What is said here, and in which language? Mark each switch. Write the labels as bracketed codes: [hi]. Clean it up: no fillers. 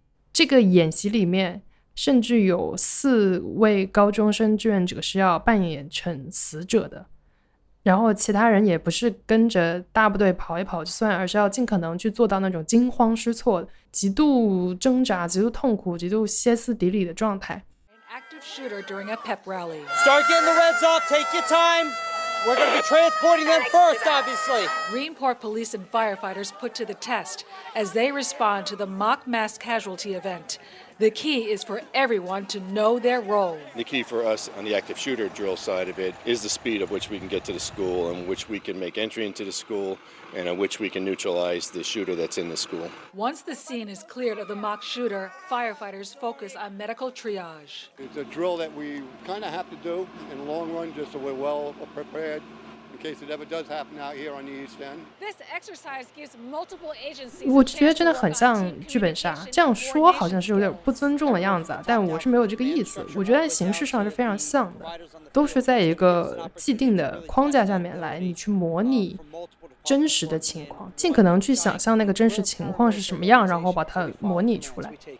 [zh] 这个演习里面甚至有四位高中生志愿者是要扮演成死者的，然后其他人也不是跟着大部队跑一跑就算，而是要尽可能去做到那种惊慌失措极度挣扎极度痛苦极度歇斯底里的状态。 [en] An active shooter during a pep rally. Start getting the reds off, take your time. We're going to be transporting them first, obviously. Greenport police and firefighters put to the test as they respond to the mock mass casualty event. The key is for everyone to know their role. The key for us on the active shooter drill side of it is the speed of which we can get to the school and which we can make entry into the school and which we can neutralize the shooter that's in the school. Once the scene is cleared of the mock shooter, firefighters focus on medical triage. It's a drill that we kind of have to do in the long run just so we're well prepared. In case it ever does happen out here on the East End. This exercise gives multiple agencies. [zh] 我觉得真的很像剧本杀，这样说好像是有点不尊重的样子，但我是没有这个意思。我觉得形式上是非常像的，都是在一个既定的框架下面来，你去模拟真实的情况，尽可能去想象那个真实情况是什么样，然后把它模拟出来。